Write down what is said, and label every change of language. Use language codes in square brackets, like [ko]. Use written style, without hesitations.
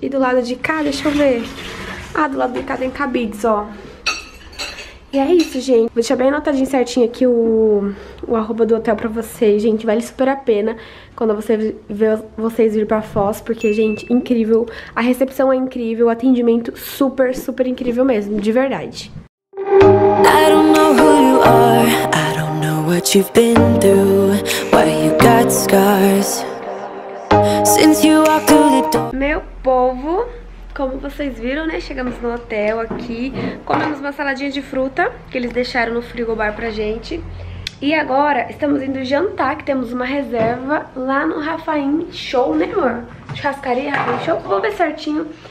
[pt] E do lado de cá, deixa eu ver. Ah, do lado de cá tem cabides, ó. E é isso, gente. Vou deixar bem anotadinho certinho aqui o arroba do hotel pra vocês, gente. Vale super a pena quando vocês vir pra Foz, porque, gente, incrível. A recepção é incrível, o atendimento super, super incrível mesmo, de verdade. [en] I don't know who you are. I don't know what you've been through. Why you got scars? Since you walked through the door. [pt] Meu povo. Como vocês viram, né? Chegamos no hotel aqui, comemos uma saladinha de fruta que eles deixaram no frigobar pra gente. E agora estamos indo jantar, que temos uma reserva lá no Rafaim Show, né, amor? Churrascaria Rafaim Show? Vou ver certinho.